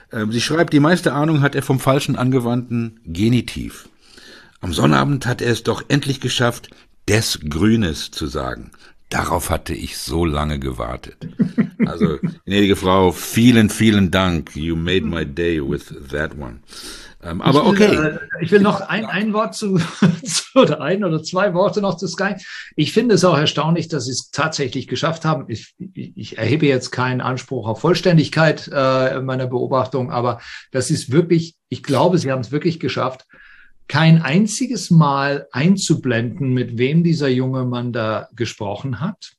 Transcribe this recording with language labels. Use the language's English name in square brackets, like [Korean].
[German] Sie schreibt, die meiste Ahnung hat er vom falschen angewandten Genitiv. Am Sonnabend hat er es doch endlich geschafft, des Grünes zu sagen. Darauf hatte ich so lange gewartet. Also, gnädige Frau, vielen, vielen Dank. [English] You made my day with that one. [German] Aber okay. Ich will noch ein Wort ein oder zwei Worte noch zu Sky. Ich finde es auch erstaunlich, dass sie es tatsächlich geschafft haben. Ich erhebe jetzt keinen Anspruch auf Vollständigkeit meiner Beobachtung, aber das ist wirklich, ich glaube, sie haben es wirklich geschafft, kein einziges Mal einzublenden, mit wem dieser junge Mann da gesprochen hat.